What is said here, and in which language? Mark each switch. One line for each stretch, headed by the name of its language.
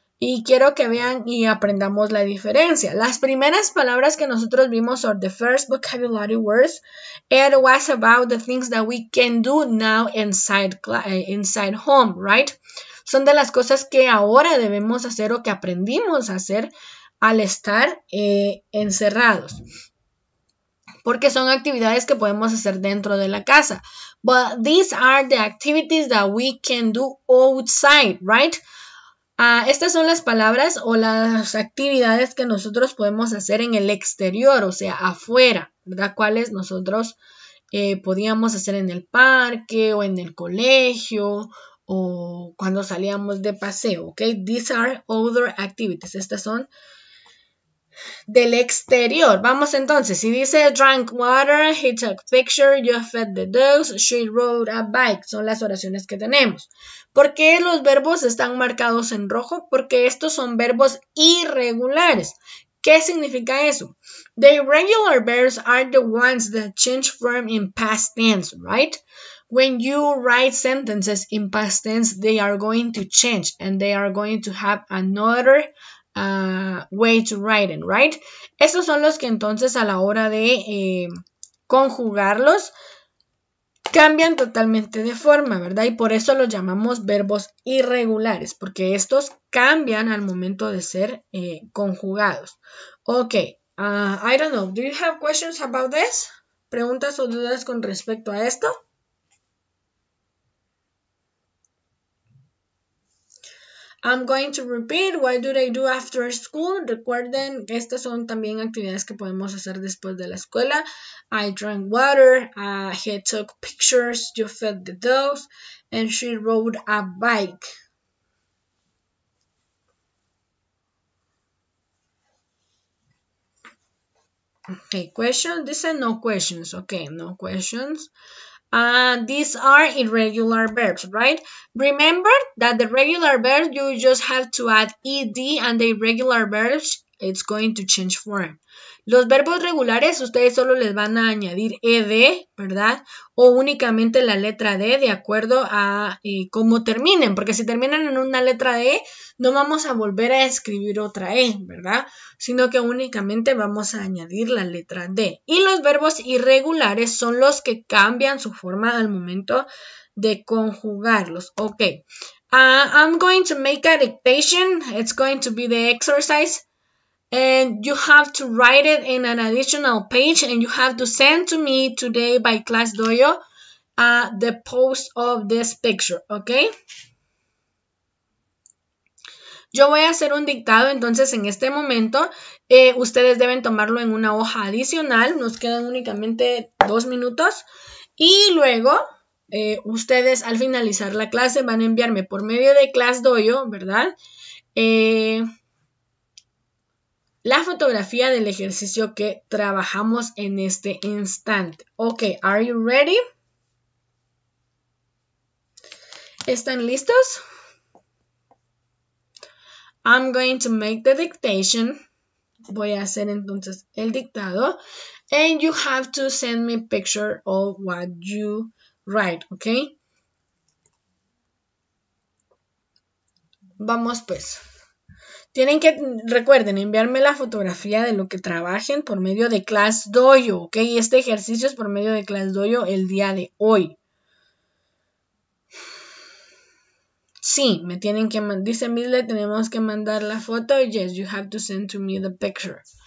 Spanish: Y quiero que vean y aprendamos la diferencia. Las primeras palabras que nosotros vimos,
English: or the first vocabulary words, it was about the things that we can do now inside home, right?
Spanish: Son de las cosas que ahora debemos hacer o que aprendimos a hacer al estar encerrados. Porque son actividades que podemos hacer dentro de la casa.
English: But these are the activities that we can do outside, right?
Spanish: Estas son las palabras o las actividades que nosotros podemos hacer en el exterior, o sea, afuera, ¿verdad? Cuáles nosotros podíamos hacer en el parque o en el colegio o cuando salíamos de paseo, ¿ok?
English: These are other activities.
Spanish: Estas son del exterior. Vamos entonces. Si dice
English: drank water, he took pictures, you fed the dogs, she rode a bike.
Spanish: Son las oraciones que tenemos. ¿Por qué los verbos están marcados en rojo? Porque estos son verbos irregulares. ¿Qué significa eso?
English: The irregular verbs are the ones that change form in past tense, right? When you write sentences in past tense, they are going to change and they are going to have another way to write it, right?
Spanish: Estos son los que entonces a la hora de conjugarlos cambian totalmente de forma, ¿verdad? Y por eso los llamamos verbos irregulares, porque estos cambian al momento de ser conjugados.
English: Ok, I don't know, do you have questions about this?
Spanish: ¿Preguntas o dudas con respecto a esto?
English: I'm going to repeat, what do they do after school?
Spanish: Recuerden, estas son también actividades que podemos hacer después de la escuela.
English: I drank water, he took pictures, you fed the dogs, and she rode a bike. Okay, questions? These are no questions. Okay, no questions. These are irregular verbs, right? Remember that the regular verb, you just have to add ed, and the irregular verbs, it's going to change form.
Spanish: Los verbos regulares, ustedes solo les van a añadir ed, ¿verdad? O únicamente la letra d, de acuerdo a cómo terminen. Porque si terminan en una letra d, no vamos a volver a escribir otra e, ¿verdad? Sino que únicamente vamos a añadir la letra d. Y los verbos irregulares son los que cambian su forma al momento de conjugarlos.
English: Ok. I'm going to make a dictation. It's going to be the exercise. And you have to write it in an additional page and you have to send to me today by class Doyo the post of this picture, ¿ok?
Spanish: Yo voy a hacer un dictado, entonces en este momento ustedes deben tomarlo en una hoja adicional, nos quedan únicamente 2 minutos y luego ustedes al finalizar la clase van a enviarme por medio de class Doyo, ¿verdad? La fotografía del ejercicio que trabajamos en este instante.
English: Ok, are you ready?
Spanish: ¿Están listos?
English: I'm going to make the dictation.
Spanish: Voy a hacer entonces el dictado.
English: And you have to send me a picture of what you write, ok?
Spanish: Vamos pues. Tienen que, recuerden, enviarme la fotografía de lo que trabajen por medio de Class Dojo, ¿ok? Este ejercicio es por medio de Class Dojo el día de hoy. Sí, me tienen que mandar, dice Misle, tenemos que mandar la foto.
English: Yes, you have to send to me the picture.